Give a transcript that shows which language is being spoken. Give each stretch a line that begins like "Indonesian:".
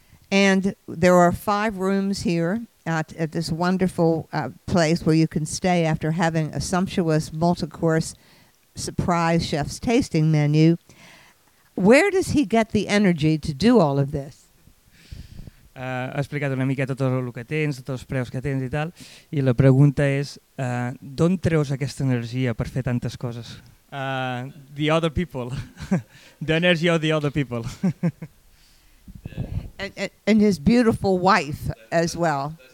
English: And there are five rooms here at this wonderful place where you can stay after having a sumptuous multi-course surprise chef's tasting menu. Where does he get the energy to do all of this?
Catalan: Ha explicat una mica tot el que tens, tots els preus que tens i tal, i la pregunta és, d'on treus aquesta energia per fer tantes coses?
English: The other people. The energy of the other people. And his beautiful wife as well.